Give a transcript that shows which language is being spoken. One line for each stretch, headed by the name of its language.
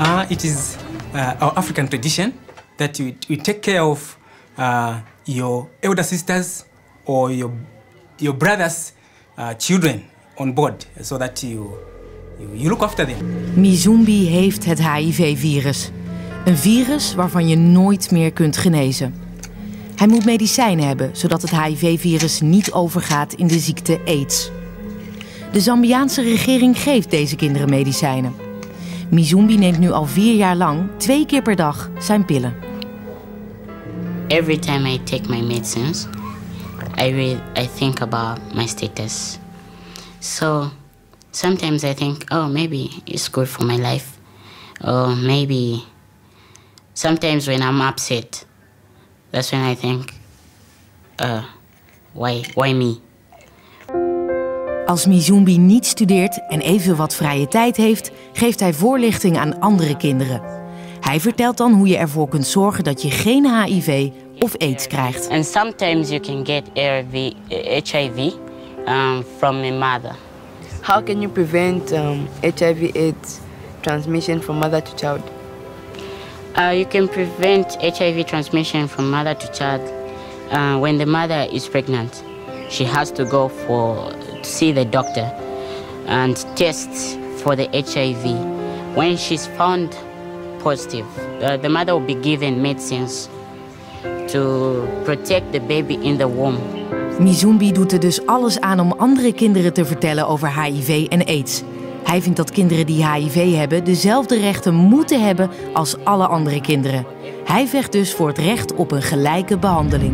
English: It is our African tradition that you take care of your elder sisters or your brothers' children on board, so that you look after them.
Dutch: Mizumbi heeft het HIV-virus. Een virus waarvan je nooit meer kunt genezen. Hij moet medicijnen hebben, zodat het HIV-virus niet overgaat in de ziekte AIDS. De Zambiaanse regering geeft deze kinderen medicijnen. Mizumbi neemt nu al 4 jaar lang, 2 keer per dag, zijn pillen.
English: Every time I take my medicines, I think about my status. So sometimes I think, oh, maybe it's good for my life. Or maybe sometimes when I'm upset, that's when I think, why me?
Dutch: Als Mizumbi niet studeert en even wat vrije tijd heeft, geeft hij voorlichting aan andere kinderen. Hij vertelt dan hoe je ervoor kunt zorgen dat je geen HIV of AIDS krijgt.
English: And sometimes you can get HIV from your mother. How can you prevent HIV AIDS transmission from mother to child? You can prevent HIV transmission from mother to child when the mother is pregnant. She has to go for see the doctor and test for the HIV. When she's found positive, the mother will be given medicines to protect the baby in the womb.
Dutch: Mizumbi doet er dus alles aan om andere kinderen te vertellen over HIV en AIDS. Hij vindt dat kinderen die HIV hebben dezelfde rechten moeten hebben als alle andere kinderen. Hij vecht dus voor het recht op een gelijke behandeling.